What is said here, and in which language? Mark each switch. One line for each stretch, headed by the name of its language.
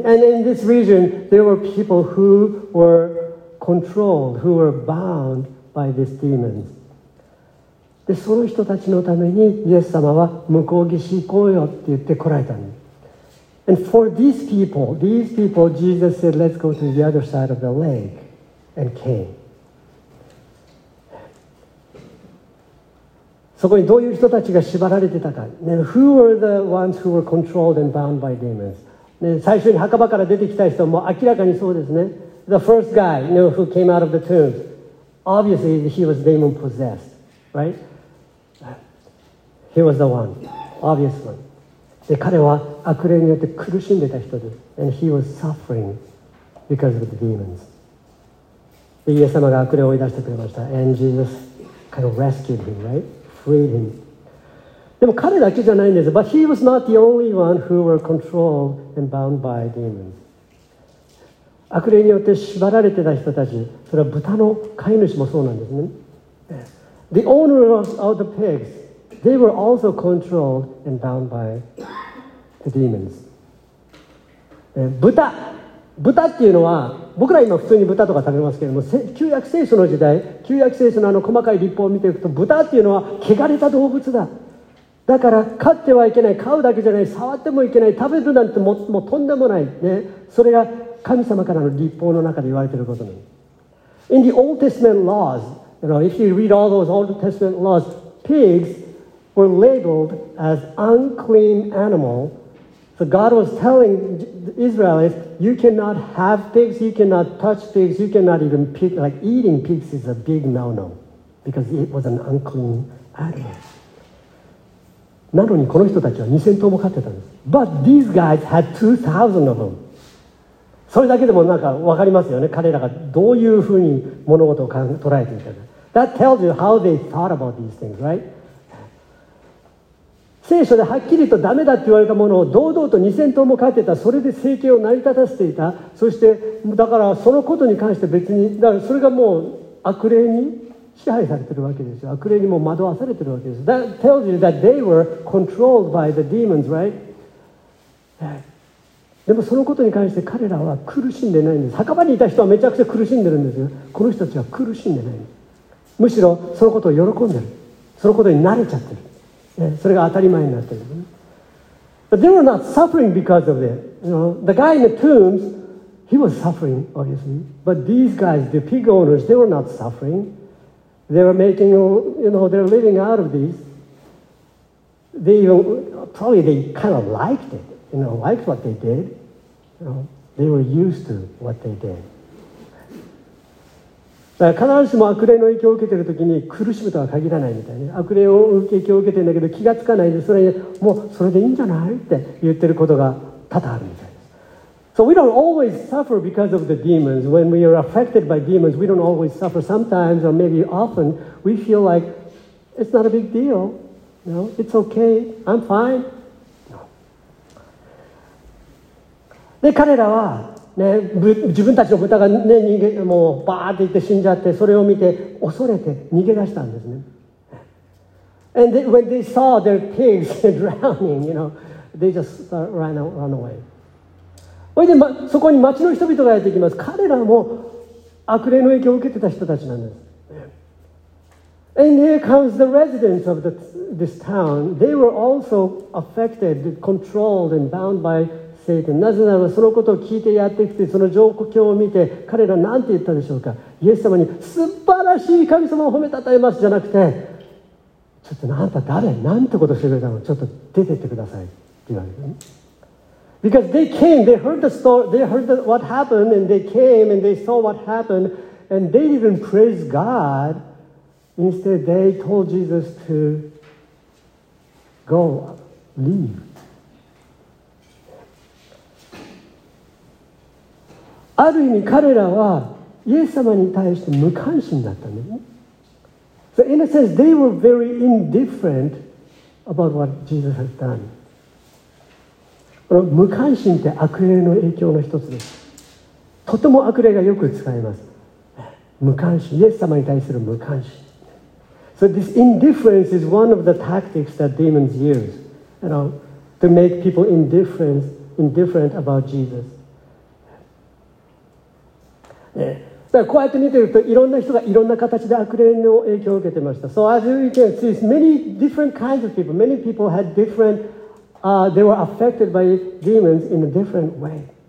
English: And in this region, there were people who were controlled, who were bound by these demons.
Japanese: で、その人たちのためにイエス様は向こう岸に行こうよって言って来られたんです。
English: And for these people, Jesus said, let's go to the other side of the lake and came.
Japanese: そこにどういう人たちが縛られてたか。
English: Now, who were the ones who were controlled and bound by demons?
Japanese: 最初に墓場から出てきた人も明らかにそうですね。
English: The first guy, you know, who came out of the tomb, obviously he was demon possessed, right? He was the one, obvious one.
Japanese: で、彼は悪霊によって苦しんでた人です。
English: And he was suffering because of the demons.
Japanese: で、イエス様が悪霊を追い出してくれました。
English: And Jesus kind of rescued him, right? Freed him.
Japanese: でも彼だけじゃないんです。
English: But he was not the only one who were controlled and bound by demons.
Japanese: 悪霊によって縛られてた人たち、それは豚の飼い主もそうなんですね。
English: The owners of the pigs, they were also controlled and bound by the demons.
Japanese: 豚っていうのは、僕ら今普通に豚とか食べますけども、旧約聖書の時代、旧約聖書のあの細かい律法を見ていくと、豚っていうのは汚れた動物だ。だから飼ってはいけない、飼うだけじゃない、触ってもいけない、食べるなんて もうとんでもない、ね、それが神様からの律法の中で言われていることなんです。
English: In the Old Testament laws, you know, if you read all those Old Testament laws, pigs were labeled as unclean animal. So God was telling the Israelites, you cannot have pigs, you cannot touch pigs, you cannot even pick, like eating pigs is a big no-no because it was an unclean animal.
Japanese: なのにこの人たちは2000頭も飼ってたんです。
English: But these guys had 2,000 of them.
Japanese: それだけでもなんか分かりますよね。彼らがどういうふうに物事を捉えていたか。
English: That tells you how they thought about these things, right?
Japanese: 聖書ではっきりとダメだって言われたものを堂々と2000頭も飼ってた。それで生計を成り立たせていた。そしてだからそのことに関して別に、だからそれがもう悪霊に支配されてるわけですよ。悪霊にも惑わされてるわけです。
English: That tells you that they were controlled by the demons, right?
Japanese: でもそのことに関して彼らは苦しんでないんです。墓場にいた人はめちゃくちゃ苦しんでるんですよ。この人たちは苦しんでないんです。むしろそのことを喜んでる。そのことに慣れちゃってる。それが当たり前になってる。
English: But they were not suffering because of it. You know, the guy in the tombs, he was suffering, obviously. But these guys, the pig owners, they were not suffering. They were making, you know, they're living out of this. They even, probably they kind of liked it, you know, liked what they did. You know, they were used to what they did.
Japanese: だから必ずしも悪霊の影響を受けているときに苦しむとは限らないみたいな。悪霊を影響を受けているんだけど気がつかないで、それにもうそれでいいんじゃないって言ってることが多々あるみたいな。
English: So we don't always suffer because of the demons. When we are affected by demons, we don't always suffer. Sometimes, or maybe often, we feel like it's not a big deal. No, it's okay. I'm fine. No.
Japanese: で、彼らはね、自分たちの豚がね、逃げもうバーって言って死んじゃって、それを見て恐れて逃げ出したんですね。
English: And they, when they saw their pigs drowning, you know, they just ran away.
Japanese: それで、ま、そこに町の人々がやってきます。彼らも悪霊の影響を受けてた人たちなんです。
English: And here comes the residents of this town. They were also affected, controlled, and bound by Satan.
Japanese: なぜならそのことを聞いてやってきて、その状況を見て、彼らなんて言ったでしょうか。イエス様に素晴らしい神様を褒めたたえますじゃなくて、ちょっとあんた誰、なんてことしてくれたの、ちょっと出てってくださいって言われる。
English: Because they came, they heard the story, they heard the, what happened, and they came and they saw what happened, and they didn't praise God. Instead, they told Jesus to go, leave.
Japanese: ある意味彼らはイエス様に対して無関心だったね。
English: So in a sense, they were very indifferent about what Jesus had done.
Japanese: 無関心って悪霊の影響の一つです。とても悪霊がよく使います。無関心、イエス様に対する無関心。
English: So this indifference is one of the tactics that demons use, you know, to make people indifferent about Jesus.
Japanese: だからこうやって見てるといろんな人がいろんな形で悪霊の影響を受けてました。
English: So as you can see, many different kinds of people, many people had different, they were affected by demons in a different way.